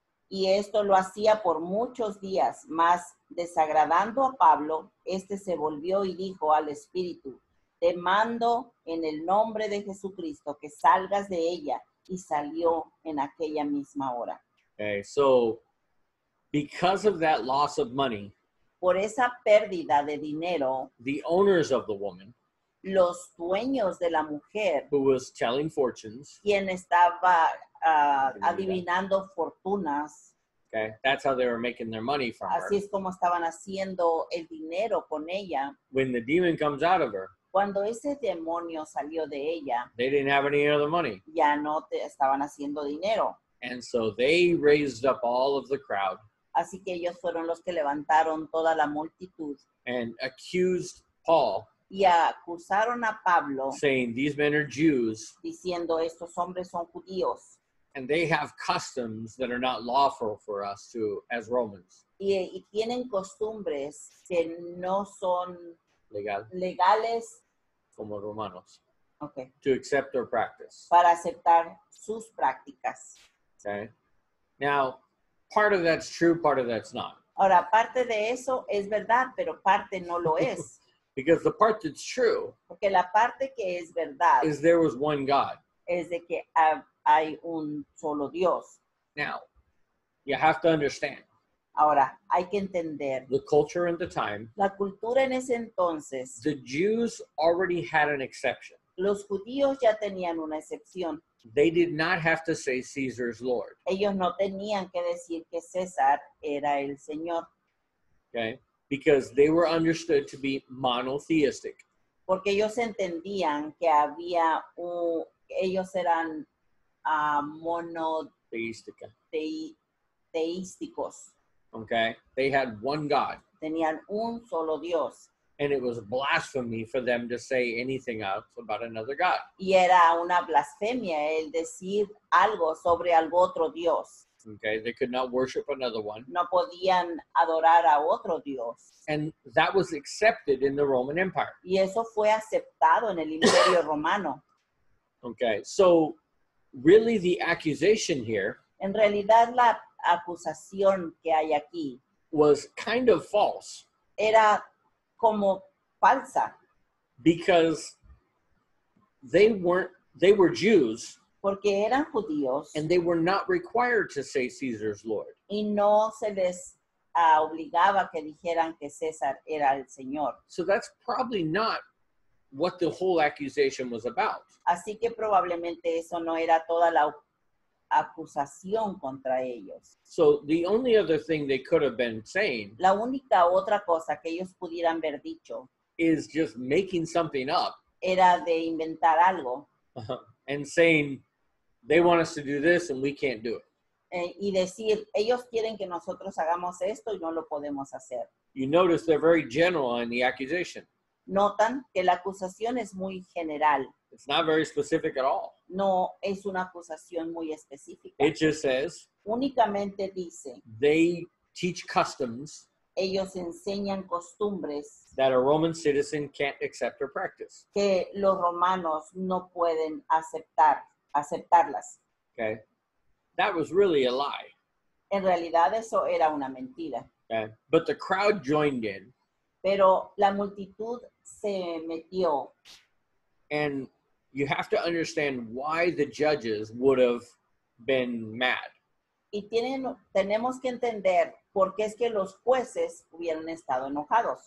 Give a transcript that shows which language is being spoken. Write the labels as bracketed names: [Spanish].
[Spanish] Y esto lo hacía por muchos días, mas desagradando a Pablo, este se volvió y dijo al Espíritu, te mando en el nombre de Jesucristo que salgas de ella, y salió en aquella misma hora. [English] Okay, so because of that loss of money, [Spanish] por esa pérdida de dinero, [English] the owners of the woman, [Spanish] los dueños de la mujer, [English] who was telling fortunes, [Spanish] quien estaba adivinando fortunas. [English] Okay, that's how they were making their money from [Spanish] Así es como estaban haciendo el dinero con ella. [English] When the demon comes out of her, [Spanish] cuando ese demonio salió de ella, [English] they didn't have any other money. [Spanish] Ya no estaban haciendo dinero. [English] And so they raised up all of the crowd. [Spanish] Así que ellos fueron los que levantaron toda la multitud. [English] And accused Paul. [Spanish] Y acusaron a Pablo. [English] Saying, these men are Jews. [Spanish] Diciendo, estos hombres son judíos. [English] And they have customs that are not lawful for us to, as Romans. [Spanish] Y tienen costumbres que no son legales. Como romanos. [English] Okay. To accept or practice. [Spanish] Para aceptar sus prácticas. [English] Okay. Now, part of that's true, part of that's not. [Spanish] Ahora, parte de eso es verdad, pero parte no lo es. [English] Because the part that's true. [Spanish] Porque la parte que es verdad. [English] Is there was one God. [Spanish] Es de que hay un solo Dios. [English] Now, you have to understand. [Spanish] Ahora, hay que entender. [English] The culture and the time. [Spanish] La cultura en ese entonces. [English] The Jews already had an exception. [Spanish] Los judíos ya tenían una excepción. [English] They did not have to say Caesar's Lord. [Spanish] Ellos no tenían que decir que César era el Señor. [English] Okay. Because they were understood to be monotheistic. [Spanish] Porque ellos entendían que había ellos eran monoteísticos. [English] Okay. They had one God. [Spanish] Tenían un solo Dios. [English] And it was blasphemy for them to say anything else about another God. [Spanish] Y era una blasfemia el decir algo sobre algún otro Dios. [English] Okay, they could not worship another one. [Spanish] No podían adorar a otro Dios. [English] And that was accepted in the Roman Empire. [Spanish] Y eso fue aceptado en el Imperio Romano. [English] Okay, so really the accusation here. [Spanish] En realidad la acusación que hay aquí. [English] Was kind of false. [Spanish] Era como falsa. [English] Because they were Jews. [Spanish] Porque eran judíos. [English] And they were not required to say Caesar's Lord. [Spanish] Y no se les obligaba que dijeran que César era el Señor. [English] So that's probably not what the whole accusation was about. [Spanish] Así que probablemente eso no era toda la acusación contra ellos. [English] So the only other thing they could have been saying. [Spanish] La única otra cosa que ellos pudieran haber dicho. [English] Is just making something up. [Spanish] Era de inventar algo. [English] And saying, they want us to do this and we can't do it. [Spanish] Y decir, ellos quieren que nosotros hagamos esto y no lo podemos hacer. [English] You notice they're very general in the accusation. [Spanish] Notan que la acusación es muy general. [English] It's not very specific at all. [Spanish] No es una acusación muy específica. [English] It just says, [Spanish] únicamente dice, [English] they teach customs. [Spanish] Ellos enseñan costumbres [English] that a Roman citizen can't accept or practice. [Spanish] Que los romanos no pueden aceptarlas. [English] Okay. That was really a lie. [Spanish] En realidad eso era una mentira. [English] Okay. But the crowd joined in. [Spanish] Pero la multitud se metió. [English] And you have to understand why the judges would have been mad. [Spanish] Y tenemos que entender por qué es que los jueces hubieran estado enojados.